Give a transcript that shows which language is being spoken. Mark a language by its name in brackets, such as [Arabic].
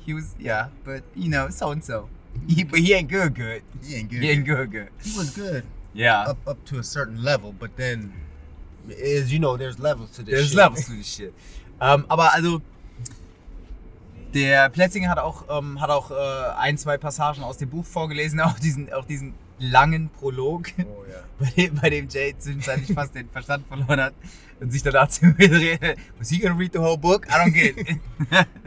[English] He was, yeah, but you know, so and so. But he ain't good, good. He ain't good. He was good. Yeah. Up to a certain level, but then, as you know, there's levels to this shit. [German] Aber also, der Plätzinger hat auch ein, zwei Passagen aus dem Buch vorgelesen, auch diesen langen Prolog, bei dem Jay zwischenzeitlich fast den Verstand verloren hat und sich danach zu mir dreht. [English] Was he gonna read the whole book? I don't get it.